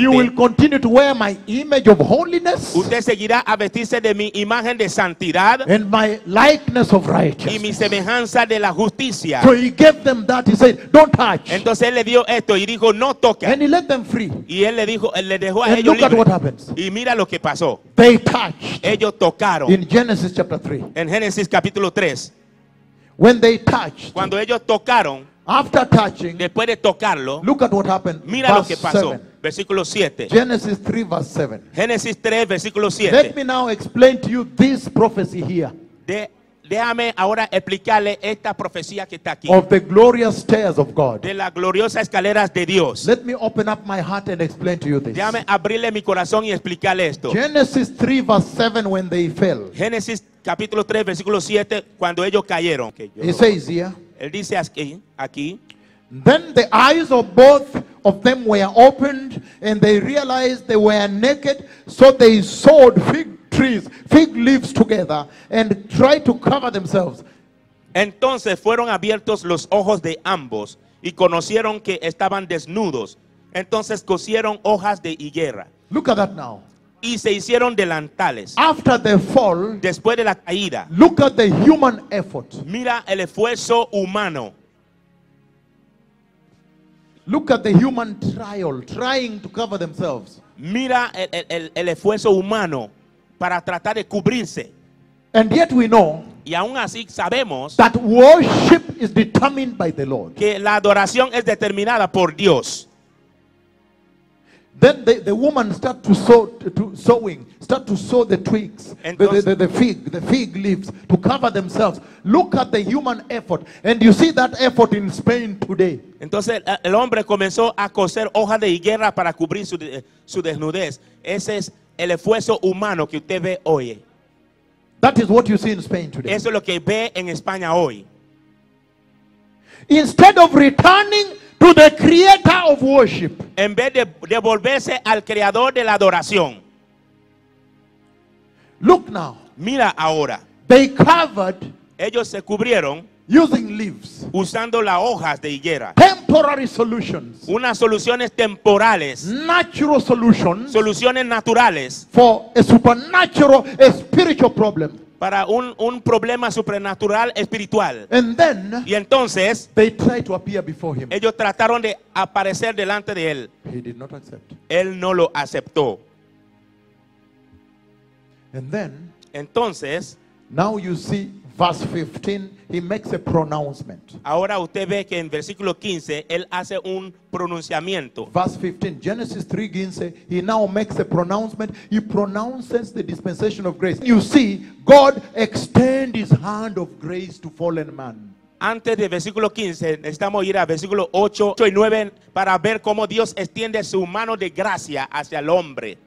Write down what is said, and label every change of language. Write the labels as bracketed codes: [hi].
[en] you will continue to wear my image of holiness, [es] usted seguirá a vestirse de mi imagen de santidad, [en] and my likeness of righteousness, [es] y mi semejanza de la justicia. [en] So he gave them that. He said, don't touch. [es] Entonces él le dio esto y dijo, no toque. [en] And he let them free. [es] Y él le dijo, él le dejó a [en] and [es] ellos [en] look at what happens. [es] Y mira lo que pasó. [en] They touched. [es] Ellos tocaron. [en] In Genesis chapter 3. [es] En Génesis capítulo 3. [en] When they touched, [es] cuando ellos tocaron, [en] after touching, [es] después de tocarlo, [en] look at what happened. [es] Mira lo que pasó. Versículo 7. [en] Genesis 3 verse 7. [es] Génesis 3 versículo 7. [en] Let me now explain to you this prophecy here. [es] Déjame ahora explicarle esta profecía que está aquí. [en] Of the glorious stairs of God. [es] De las gloriosas escaleras de Dios. [en] Let me open up my heart and explain to you this. [es] Déjame abrirle mi corazón y explicarle esto. [en] Genesis 3 verse 7 when they fell. [es] Génesis capítulo 3 versículo 7 cuando ellos cayeron. [en] He says here. [es] Él dice aquí. [en] Then the eyes of both of them were opened and they realized they were naked, so they sewed fig leaves together and try to cover themselves. [es] Entonces fueron abiertos los ojos de ambos y conocieron que estaban desnudos. Entonces cosieron hojas de higuera. [en] Look at that now. [es] Y se hicieron delantales. [en] After the fall, [es] después de la caída. [en] Look at the human effort. [es] Mira el esfuerzo humano. [en] Look at the human trying to cover themselves. [es] Mira el esfuerzo humano para tratar de cubrirse. [en] And yet we know, [es] y aún así sabemos, [en] that worship is determined by the Lord. [es] Que la adoración es determinada por Dios. [en] Then the woman start to sow, to sowing, start to sow the twigs, the fig leaves to cover themselves. Look at the human effort, and you see that effort in Spain today. [es] Entonces el hombre comenzó a coser hojas de higuera para cubrir su desnudez. Ese es el esfuerzo humano que usted ve hoy. [en] That is what you see in Spain today. [es] Eso es lo que ve en España hoy. [en] Instead of returning to the creator of worship. [es] En vez de devolverse al creador de la adoración. [en] Look now. [es] Mira ahora. [en] They covered. [es] Ellos se cubrieron. [en] Using leaves. [es] Usando las hojas de higuera. [en] Temporary solutions. [es] Unas soluciones temporales. [en] Natural solutions. [es] Soluciones naturales. [en] For a supernatural, a spiritual problem. [es] Para un problema supernatural espiritual. [en] And then, [es] y entonces, [en] they tried to appear before him. [es] Ellos trataron de aparecer delante de él. [en] He did not accept. [es] Él no lo aceptó. [en] And then, [es] entonces, [en] now you see verse 15, he makes a pronouncement. [es] Ahora usted ve que en versículo 15, él hace un pronunciamiento. [en] Verse 15, Genesis 3, 15, he now makes a pronouncement. He pronounces the dispensation of grace. You see, God extend his hand of grace to fallen man. [es] Antes de versículo 15, necesitamos ir a versículo 8 y 9 para ver cómo Dios extiende su mano de gracia hacia el hombre.